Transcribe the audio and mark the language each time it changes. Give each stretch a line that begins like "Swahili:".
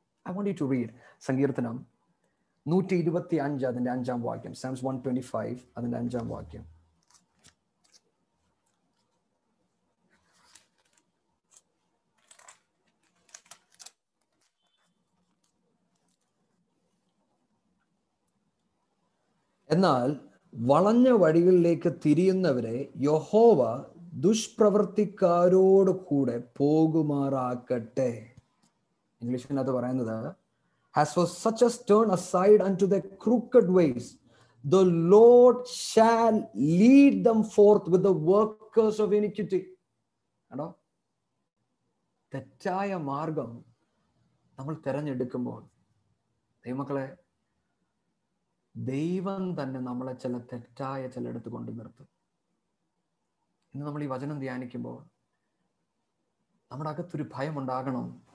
English: I want you to read
Malayalam: സങ്കീർത്തനം 125 അതിൻ്റെ 5 സാംസ് 125 അതിൻ്റെ 5 എന്നാൽ വളഞ്ഞ വഴികളിലേക്ക് തിരിയുന്നവരെ യഹോവ ദുഷ്പ്രവൃത്തിക്കാരോട് കൂടെ പോകുമാറാക്കട്ടെ. ഇംഗ്ലീഷിനകത്ത് പറയുന്നത്
English: has for such as turn aside unto their crooked ways, the Lord shall lead them forth with the workers of iniquity.
Malayalam: കണ്ടോ, തെറ്റായ മാർഗം നമ്മൾ തിരഞ്ഞെടുക്കുമ്പോൾ ദൈവമക്കളെ, ദൈവം തന്നെ നമ്മളെ ചില തെറ്റായ ചിലയിടത്ത് കൊണ്ടു നിർത്തും. ഇന്ന് നമ്മൾ ഈ വചനം ധ്യാനിക്കുമ്പോൾ നമ്മുടെ അകത്തൊരു ഭയം ഉണ്ടാകണം.